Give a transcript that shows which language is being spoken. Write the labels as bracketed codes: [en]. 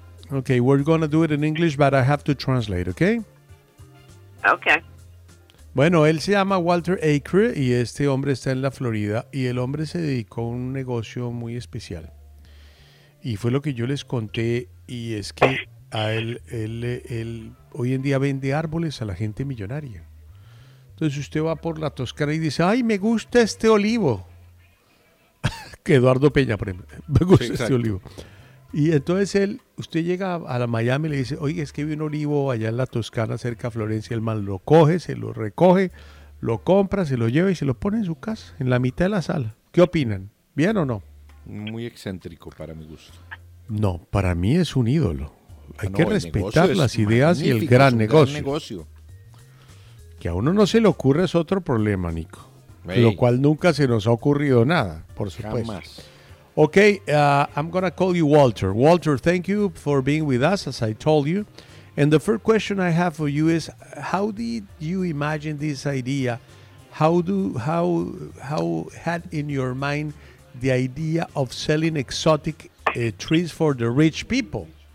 [en] Okay, we're going to do it in English, but I have to translate, okay? Okay. [es] Bueno, él se llama Walter Acre y este hombre está en la Florida y el hombre se dedicó a un negocio muy especial. Y fue lo que yo les conté y es que a él hoy en día vende árboles a la gente millonaria. Entonces usted va por la Toscana y dice, ay, me gusta este olivo. Que Eduardo Peña, por ejemplo, me gusta este olivo. Y entonces usted llega a la Miami y le dice, oye, es que vi un olivo allá en la Toscana, cerca de Florencia, el man lo coge, se lo recoge, lo compra, se lo lleva y se lo pone en su casa, en la mitad de la sala. ¿Qué opinan? ¿Bien o no? Muy excéntrico para mi gusto. No, para mí es un ídolo. Hay que respetar las ideas y el gran negocio. Que a uno no se le ocurre es otro problema, Nico. Hey. Lo cual nunca se nos ha ocurrido nada, por supuesto. Jamás. [en] Okay, I'm going to call you Walter. Walter, thank you for being with us, as I told you. And the first question I have for you is, how did you imagine this idea? How had in your mind the idea of selling exotic trees for the rich people?